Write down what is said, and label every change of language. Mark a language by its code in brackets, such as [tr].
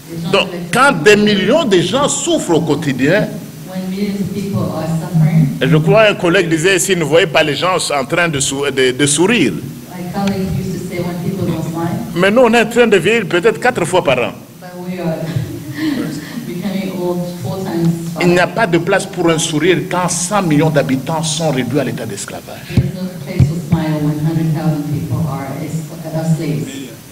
[fr] Donc, quand des millions de gens souffrent au quotidien, [en] when [fr] je crois un collègue disait ici, ne voyez pas les gens en train de sourire. [en] My colleague used to say when people don't smile. [fr] Mais nous, on est en train de vivre peut-être quatre fois par an. [en] But we are becoming old four times. [fr] Il n'y a pas de place pour un sourire quand 100 millions d'habitants sont réduits à l'état d'esclavage. [en] There is no place to smile when 100,000 people are slaves.